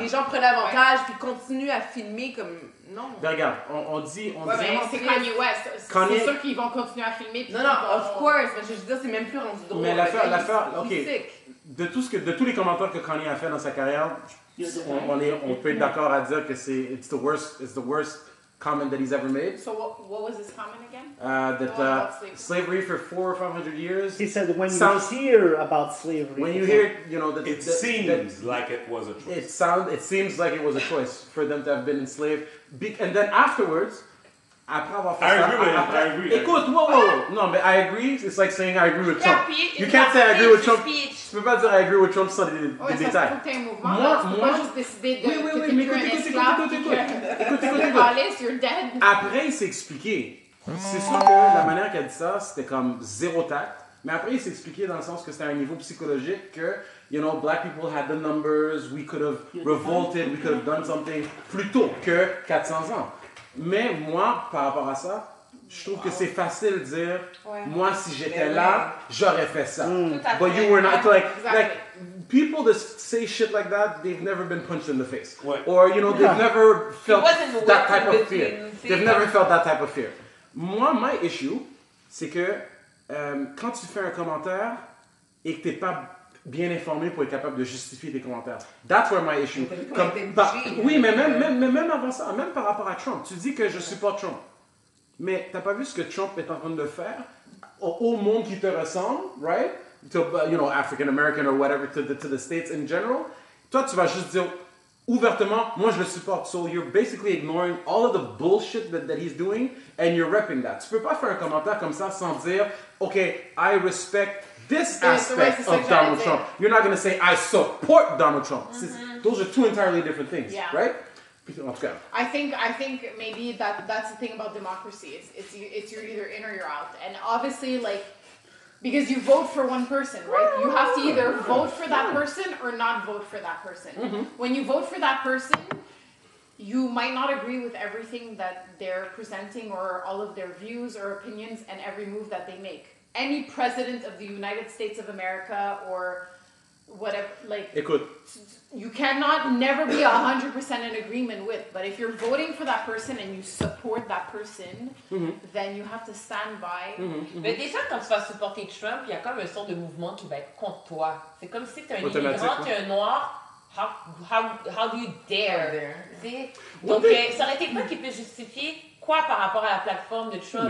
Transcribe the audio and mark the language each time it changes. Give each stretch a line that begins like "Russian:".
French: Les gens prennent avantage, puis continuent à filmer comme. Non. Ben regarde, on dit. Ouais, mais c'est Kanye West. C'est sûr qu'ils vont continuer à filmer. Puis non,
English: of course.
French: Mais je veux dire, c'est même plus rendu drôle. Mais l'affaire. Ok. De tous les commentaires que Kanye a fait dans sa carrière, on peut être d'accord à dire que c'est.
English: It's the worst comment that he's ever made. So what was his comment again? Slavery for 400 or 500 years. He said when you hear about slavery, it seems like it was a choice for them to have been enslaved. And then afterwards,
French: après avoir
English: fait I agree. Écoute, whoa. No, but I agree. It's like saying I agree with Trump. You can't say I agree with Trump.
French: Tu peux pas dire I agree with Trump sans les détails. Moi, juste décidé de. Écoute. Après, il s'est expliqué. C'est sûr que la manière qu'il a dit ça, c'était comme zéro tact. Mais après, il s'est expliqué dans le sens que c'était un niveau psychologique que,
English: you know, black people had the numbers, we could have revolted, we could have done something
French: plus tôt que 400 ans. Mais moi, par rapport à ça, je trouve que c'est facile de dire, moi, si j'étais là, j'aurais fait ça.
English: But you were not, like, people that say shit like that, they've never been punched in the face. Or, you know, they've never felt that type of fear.
French: Moi,
English: my issue,
French: c'est que quand tu fais un commentaire et que t'es pas bien informé pour être capable de justifier tes commentaires,
English: that's where my issue.
French: Mais même avant ça, même par rapport à Trump, tu dis que je supporte Trump, mais t'as pas vu ce que Trump est en train de faire au monde qui te ressemble, right?
English: To, you know, African American or whatever, to the states in general.
French: Toi, tu vas juste dire ouvertement, moi je le supporte.
English: So you're basically ignoring all of the bullshit that he's doing and you're repping that.
French: Tu peux pas faire un commentaire comme ça sans dire, OK,
English: I respect this aspect of Donald Trump. You're not going to say, I support Donald Trump. Mm-hmm. Those are two entirely different things, right? I think maybe that's the thing about democracy. It's you're either in or you're out. And obviously, like, because you vote for one person, right? You have to either vote for that person or not vote for that person. Mm-hmm. When you vote for that person, you might not agree with everything that they're presenting or all of their views or opinions and every move that they make. Any president of the United States of America or whatever, like...
French: Écoute.
English: You cannot never be 100% in agreement with. But if you're voting for that person and you support that person, then you have to stand by.
French: Mais déjà, quand tu vas supporter Trump, il y a comme un sort de mouvement qui va être contre toi. C'est comme si tu es un immigrant, tu es un noir.
English: How do you dare?
French: Donc, ça aurait été quoi qui peut justifier quoi par rapport à la plateforme de Trump?